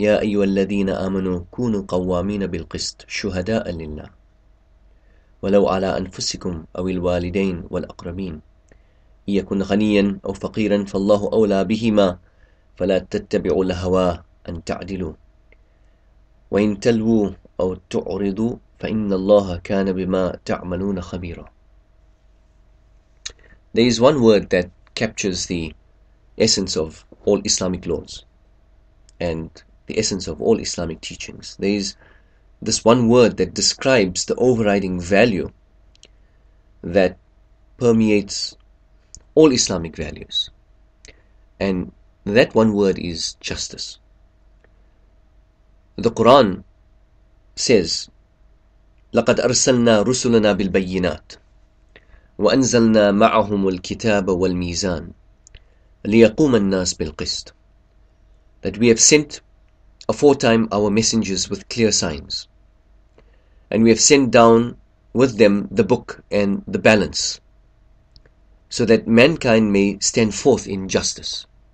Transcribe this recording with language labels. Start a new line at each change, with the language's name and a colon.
Arabic: يا أيها الذين آمنوا كونوا قوامين بالقسط شهداء لله ولو على أنفسكم أو الوالدين والأقربين إن يكن غنيا أو فقيرا فالله أولى بهما، فلا تتبعوا الهوى أن تعدلوا، وإن تلووا أو تعرضوا فإن الله كان بما تعملون خبيرا.
English: There is one word that captures the essence of all Islamic laws and the essence of all Islamic teachings. There is this one word that describes the overriding value that permeates all Islamic values. And that one word is justice. The Quran says,
Arabic: لَقَدْ أَرْسَلْنَا رُسُلَنَا بِالْبَيِّنَاتِ وَأَنزَلْنَا مَعَهُمُ الْكِتَابَ وَالْمِيزَانِ لِيَقُومَ النَّاسِ بِالْقِسْطِ.
English: That we have sent aforetime our messengers with clear signs, and we have sent down with them the book and the balance, so that mankind may stand forth in justice.